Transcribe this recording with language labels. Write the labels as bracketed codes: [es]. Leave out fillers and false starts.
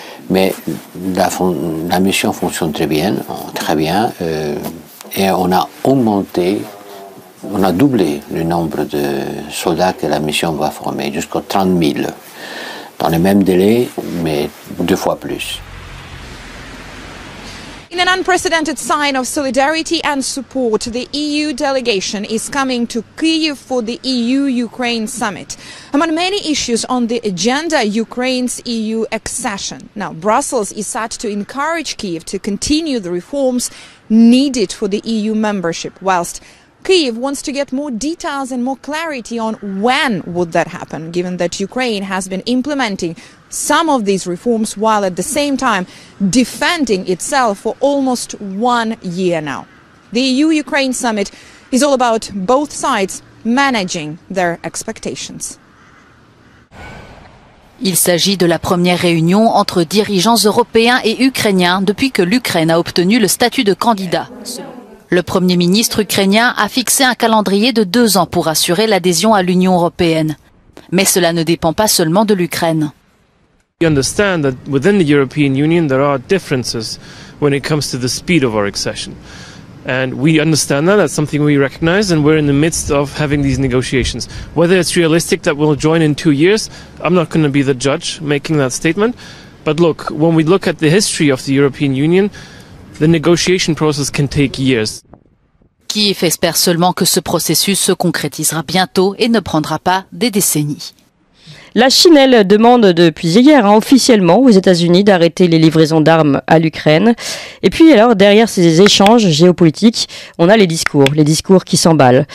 [fr] Mais la mission fonctionne très bien. Et on a doublé le nombre de soldats que la mission va former, jusqu'à 30 000. Dans le même délai, mais deux fois plus. [en] In an unprecedented sign of solidarity and support, the EU delegation is coming to Kyiv for the EU-Ukraine summit. Among many issues on the agenda, Ukraine's EU accession. Now, Brussels is set to encourage Kyiv to continue the reforms needed for the EU membership, whilst Kyiv wants to get more details and more clarity on when would that happen, given that Ukraine has been implementing some of these reforms while at the same time defending itself for almost 1 year now. The EU-Ukraine summit is all about both sides managing their expectations. [fr] Il s'agit de la première réunion entre dirigeants européens et ukrainiens depuis que l'Ukraine a obtenu le statut de candidat. Le Premier ministre ukrainien a fixé un calendrier de 2 ans pour assurer l'adhésion à l'Union européenne. Mais cela ne dépend pas seulement de l'Ukraine. [en] We understand that within the European Union there are differences when it comes to the speed of our accession. And we understand that, that's something we recognize, and we're in the midst of having these negotiations. Whether it's realistic that we'll join in 2 years, I'm not going to be the judge making that statement. But look, when we look at the history of the European Union, the negotiation process can take years. [fr] Kyiv espère seulement que ce processus se concrétisera bientôt et ne prendra pas des décennies. La Chine, elle, demande depuis hier, hein, officiellement, aux États-Unis d'arrêter les livraisons d'armes à l'Ukraine. Et puis, alors, derrière ces échanges géopolitiques, on a les discours qui s'emballent.